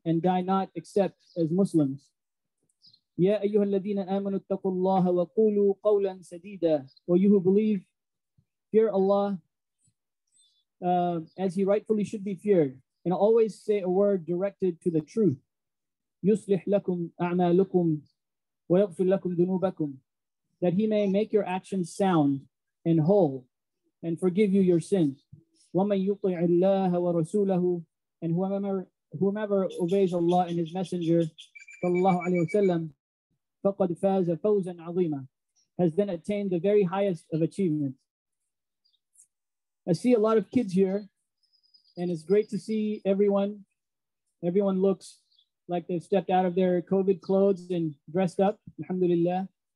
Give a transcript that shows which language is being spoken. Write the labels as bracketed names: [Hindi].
[English] And die not except as Muslims. [Arabic] يَا أَيُّهَا الَّذِينَ آمَنُوا اتَّقُوا اللَّهَ وَقُولُوا قَوْلًا سَدِيدًا. [English] O you who believe, fear Allah as He rightfully should be feared. And always say a word directed to the truth. [Arabic] يُصْلِحْ لَكُمْ أَعْمَالُكُمْ وَيَغْفِرْ لَكُمْ ذُنُوبَكُمْ. [English] That He may make your actions sound and whole and forgive you your sins. [Arabic] وَمَنْ يُطِعِ اللَّهَ وَرَسُولَهُ. [English] And whomever obeys Allah and His Messenger, [Arabic] صلى الله عليه وسلم, فَقَدْ فَازَ فَوْزًا عَظِيمًا. [English] has then attained the very highest of achievements. I see a lot of kids here, and it's great to see everyone. Everyone looks like they've stepped out of their COVID clothes and dressed up, alhamdulillah.